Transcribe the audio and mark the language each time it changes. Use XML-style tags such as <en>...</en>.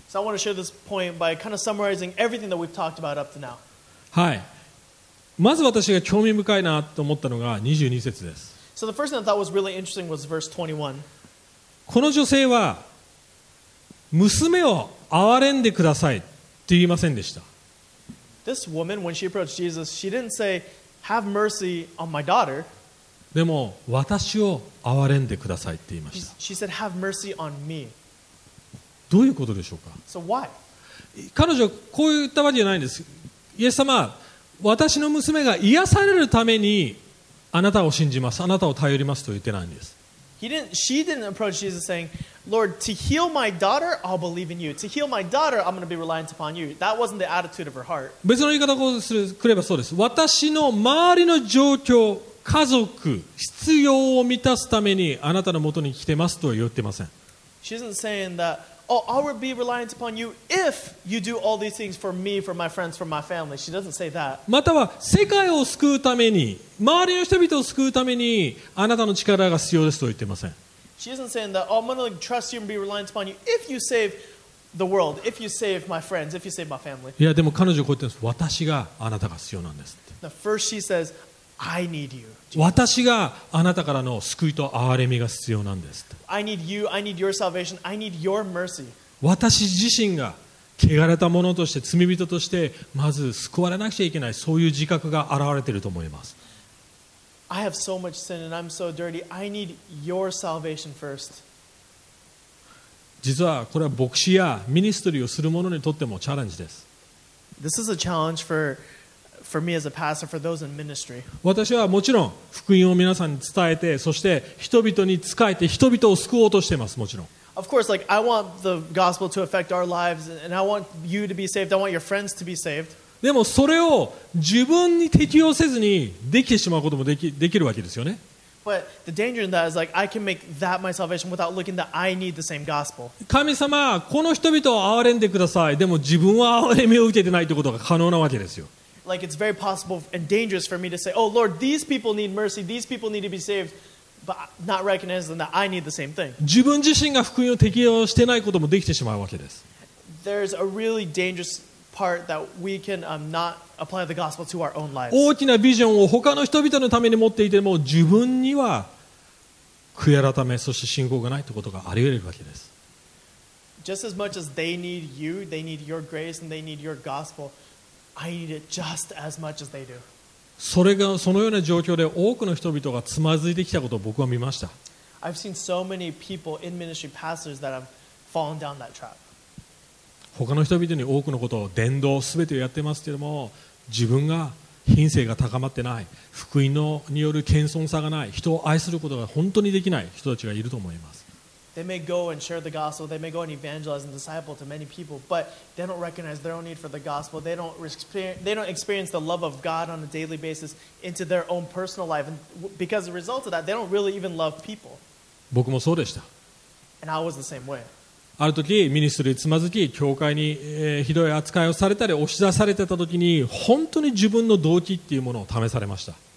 <en>So I want to share this point by kind of summarizing everything that we've talked about up to now.</en> <ja>はい。まず私が興味深いなと思ったのが22節です。</ja> <en>So the first thing I thought was really interesting was verse 21.</en> <ja>この女性は娘を憐れんでくださいって言いませんでした。</ja> <en>This woman, when she approached Jesus, she didn't say, "Have mercy on my daughter."</en> <ja>でも私を憐れんでくださいって言いました。</ja> <en>She said, "Have mercy on me."</en> <ja>どういうことでしょうか。</ja> <en>So、why?</en> <ja>彼女はこう言ったわけじゃないんです。イエス様、私の娘が癒されるためにあなたを信じます、あなたを頼りますと言ってないんです。</ja> <en>She didn't approach Jesus saying, Lord, to heal my daughter, I'll believe in you. To heal my daughter, I'm going to be reliant upon you. That wasn't the attitude of her heart.</en> <ja>別の言い方をすればそうです。私の周りの状況、家族、必要を満たすためにあなたのもとに来てますとは言ってません。</ja> <en>She isn't saying that. Oh, I will be reliant upon you if you do all these things for me, for my friends, for my family. She doesn't say that.</en> <ja>または世界を救うために、周りの人々を救うためにあなたの力が必要ですと言っていません。</ja> <en>She isn't saying that. Oh, I'm going to trust you and be reliant upon you if you save the world, if you save my friends, if you save my family.</en> <ja>いやでも彼女はこう言ってます。私があなたが必要なんですって。</ja> <en>The first she says, I need you.</en> <ja>私があなたからの救いと憐れみが必要なんですと。</ja> <en>I need you, I need your salvation, I need your mercy.</en> <ja>私自身が汚れた者として、罪人として、まず救われなくちゃいけない、そういう自覚が現れていると思います。</ja> <en>I have so much sin and I'm so dirty, I need your salvation first.</en> <ja>実はこれは牧師やミニストリーをする者にとってもチャレンジです。</ja> <en>This is a challenge for, for me as a pastor, for those in ministry.</en> <ja>私はもちろん福音を皆さんに伝えて、そして人々に仕えて人々を救おうとしています。もちろん。</ja> <en>Of course, like I want the gospel to affect our lives, and I want you to be saved. I want your friends to be saved.</en> <ja>でもそれを自分に適用せずにできてしまうこともできるわけですよね。</ja> <en>But the danger in that is like I can make that my salvation without looking that I need the same gospel.</en> <ja>神様、この人々を憐れんでください。でも自分は憐れみを受けてないということが可能なわけですよ。</ja> <en>Like it's very possible and dangerous for me to say, "Oh Lord, these people need mercy. These people need to be saved." But not recognizing that I need the same thing.</en> <ja>自分自身が福音を適用してないこともできてしまうわけです。</ja> <en>There's a really dangerous part that we can not apply the gospel to our own lives.</en> <ja>大きなビジョンを他の人々のために持っていても、自分には悔い改め、そして信仰がないということがあり得るわけです。</ja> <en>Just as much as they need you, they need your grace and they need your gospel, I need it just as much as they do.</en> <ja>それがそのような状況で多くの人々がつまずいてきたことを僕は見ました。</ja> <en>I've seen so many people in ministry, pastors that have fallen down that trap.</en> <ja>他の人々に多くのことを伝道すべてをやってますけれども、自分が品性が高まってない、福音のによる謙遜さがない、人を愛することが本当にできない人たちがいると思います。</ja> <en>They may go and share the gospel. They may go and evangelize and disciple to many people, but they don't recognize their own need for the gospel. They don't experience the love of God on a daily basis into their own personal life. And because as a result of that, they don't really even love people.</en> <ja>僕もそうでした。</ja> <en>And I was the same way.</en> <ja>ある時、ミニストリーつまずき、教会に、ひどい扱いをされたり押し出されてた時に、本当に自分の動機っていうものを試されました。</ja>